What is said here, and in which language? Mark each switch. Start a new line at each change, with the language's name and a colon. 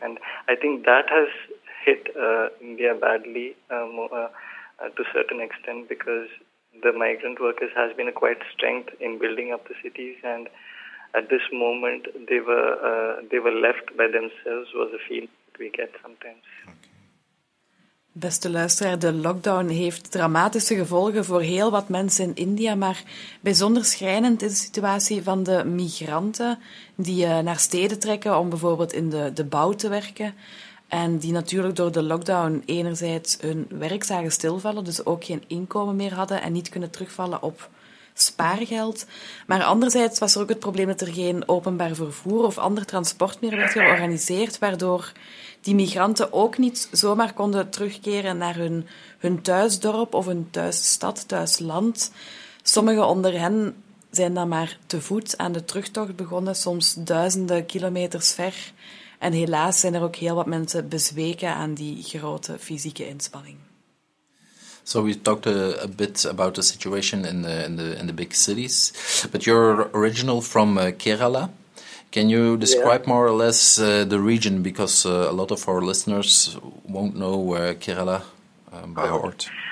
English: And I think that has hit India badly to a certain extent, because the migrant workers has been a quite strength in building up the cities. And at this moment, they were left by themselves, was a feeling we get sometimes. Okay.
Dutch: Beste luisteraar, de lockdown heeft dramatische gevolgen voor heel wat mensen in India, maar bijzonder schrijnend is de situatie van de migranten die naar steden trekken om bijvoorbeeld in de bouw te werken. En die natuurlijk door de lockdown enerzijds hun werk zagen stilvallen, dus ook geen inkomen meer hadden en niet kunnen terugvallen op spaargeld. Maar anderzijds was er ook het probleem dat er geen openbaar vervoer of ander transport meer werd georganiseerd, waardoor die migranten ook niet zomaar konden terugkeren naar hun thuisdorp of hun thuisstad, thuisland. Sommigen onder hen zijn dan maar te voet aan de terugtocht begonnen, soms duizenden kilometers ver. En helaas zijn er ook heel wat mensen bezweken aan die grote fysieke inspanning.
English: So we talked a bit about the situation in the big cities, but you're original from Kerala. Can you describe more or less the region, because a lot of our listeners won't know Kerala by heart.